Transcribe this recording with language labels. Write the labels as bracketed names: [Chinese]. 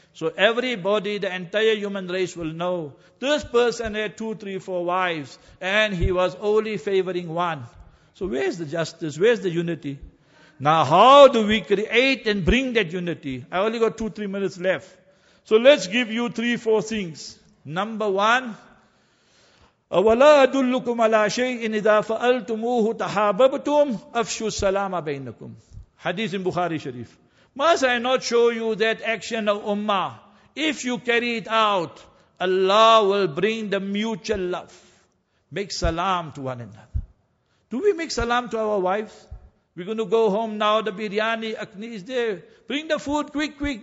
[English] So everybody, the entire human race will know, this person had 2, 3, 4 wives and he was only favoring one. So where's the justice? Where's the unity? Now how do we create and bring that unity? I only got 2, 3 minutes left. So let's give you 3, 4 things. Number one, [Arabic] أَوَلَا أَدُلُّكُمْ عَلَىٰ شَيْءٍ إِذَا فَأَلْتُمُوهُ تَحَابَبْتُمْ أَفْشُوا السَّلَامَ بَيْنَكُمْ. [English] Hadith in Bukhari Sharif. Must I not show you that action of Ummah? If you carry it out, Allah will bring the mutual love. Make salam to one another. Do we make salam to our wives? We're going to go home now, the biryani, akni is there. Bring the food quick.